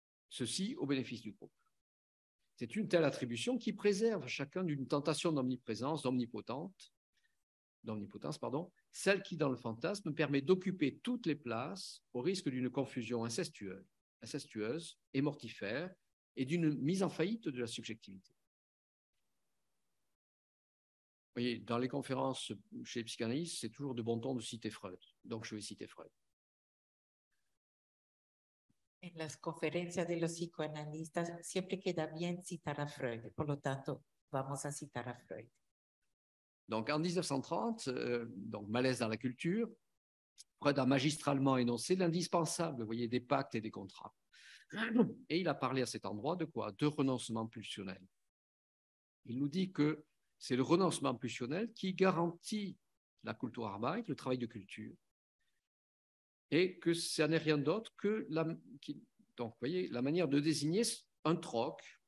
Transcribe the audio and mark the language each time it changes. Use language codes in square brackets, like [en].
[fr] Ceci au bénéfice du groupe. C'est une telle attribution qui préserve chacun d'une tentation d'omnipotence, celle qui, dans le fantasme, permet d'occuper toutes les places au risque d'une confusion incestueuse et mortifère et d'une mise en faillite de la subjectivité. Vous voyez, dans les conférences chez les psychanalystes, c'est toujours de bon ton de citer Freud. Donc, je vais citer Freud. [es] En las conferencias de los psicoanalistas, siempre queda bien citar a Freud. Por lo tanto, vamos a citar a Freud. [fr] Donc, en 1930, donc malaise dans la culture, Freud a magistralement énoncé l'indispensable, vous voyez, des pactes et des contrats. Et il a parlé à cet endroit de quoi ? De renoncement pulsionnel. Il nous dit que c'est le renoncement pulsionnel qui garantit la Kulturarbeit, le travail de culture, et que ça n'est rien d'autre que la manière de désigner un troc